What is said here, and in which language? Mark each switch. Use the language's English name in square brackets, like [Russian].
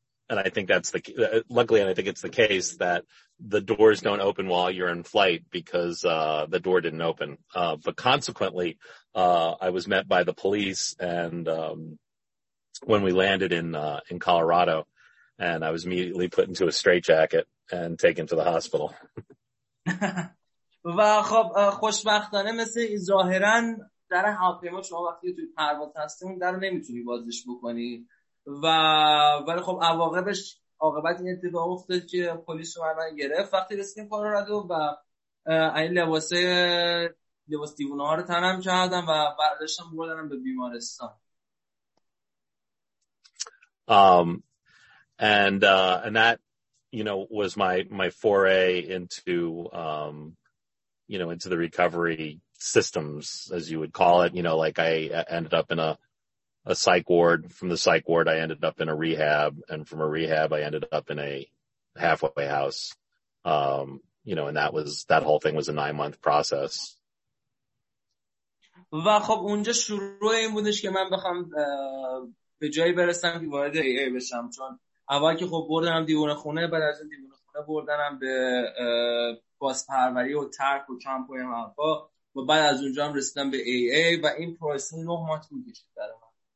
[English] And I think it's the case that the doors don't open while you're in flight because the door didn't open. But consequently, I was met by the police and when we landed in Colorado, and I was immediately put into a straitjacket and taken to the hospital. [Persian] و خب خوشبختانه مثل ظاهرا در هواپیما شما وقتی توی پرواز هستین در نمیتونی بازش بکنی. و ولی خب عواقبش عاقبت این اتفاق افتاد که پلیس رو من گرفت وقتی رسیدیم کلرادو و این لباس دیوونه ها رو تنم کردم و برداشتم بردنم به بیمارستان. [English] And that, you know, was my foray into the recovery systems, as you would call it. You know, like I ended up in a psych ward. From the psych ward, I ended up in a rehab, and from a rehab, I ended up in a halfway house. You know, and that whole thing was a 9-month process. [Persian] و خب اونجا شروع این بودش که من بخوام به جایی برسم که وارد AA بشم، چون اول که خب بردنم دیوونه خونه، بعد از اون دیوونه خونه بردنم به بازپروری و ترک و کمپ و این حرفا، و بعد از اونجا هم رسیدم به AA و این پروسه 9 ماه طول کشید برای من.